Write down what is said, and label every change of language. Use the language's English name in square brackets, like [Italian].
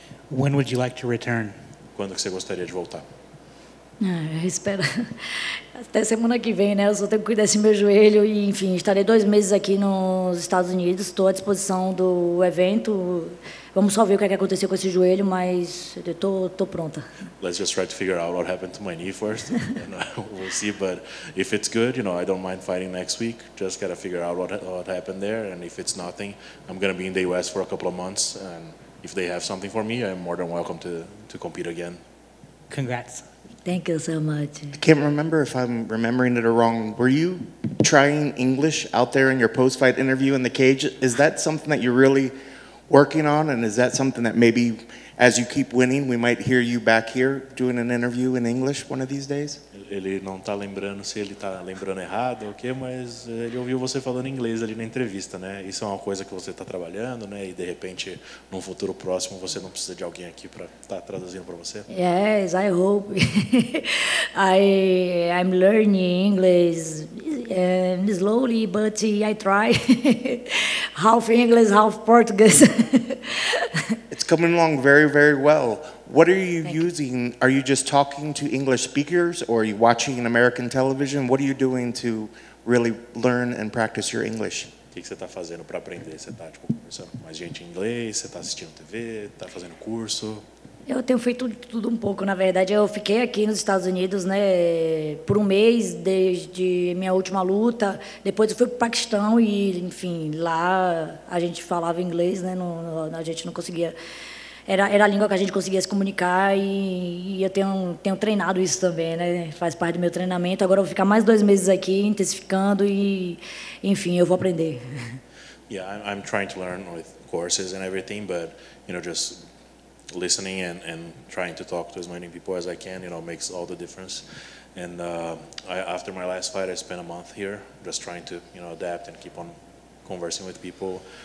[English] When would you like to return? [Portuguese] Quando que você gostaria de voltar? Espera até semana que vem, né? Eu só tenho que cuidar desse meu joelho e, enfim, estarei 2 meses aqui nos Estados Unidos. Estou à disposição do evento. Vamos só ver o que, é que aconteceu com esse joelho, mas estou pronta. [English] Let's just try to figure out what happened to my knee first. And we'll see, but if it's good, you know, I don't mind fighting next week. Just gotta figure out what happened there. And if it's nothing, I'm gonna be in the US for a couple of months. And if they have something for me, I'm more than welcome to compete again. Congrats. Thank you so much. I can't remember if I'm remembering it or wrong. Were you trying English out there in your post-fight interview in the cage? Is that something that you're really working on? And is that something that maybe as you keep winning, we might hear you back here doing an interview in English one of these days? [Portuguese] Ele não tá lembrando se ele tá lembrando errado ou o quê, mas ele ouviu você falando inglês ali na entrevista, né? Isso é uma coisa que você tá trabalhando, né? E de repente, num futuro próximo, você não precisa de alguém aqui para estar traduzindo para você? [English] Yes, I hope. I'm learning English and slowly, but I try. Half English, half Portuguese. It's coming along very, very well. What are you using? Are you just talking to English speakers or are you watching American television? What are you doing to really learn and practice your English? [Portuguese] O que você está fazendo para aprender? Você está tipo, conversando com mais gente em inglês? Você está assistindo TV? Está fazendo curso? Eu tenho feito tudo um pouco, na verdade. Eu fiquei aqui nos Estados Unidos, né, por um mês desde minha última luta. Depois eu fui para o Paquistão e, enfim, lá a gente falava inglês, né? A gente não conseguia. Era a língua que a gente conseguia se comunicar e eu tenho treinado isso também, né? Faz parte do meu treinamento. Agora eu vou ficar mais 2 meses aqui intensificando e, enfim, eu vou aprender. [English] Yeah, I'm trying to learn with courses and everything, but, you know, just listening and trying to talk to as many people as I can, you know, makes all the difference. And after my last fight, I spent a month here just trying to, you know, adapt and keep on conversing with people.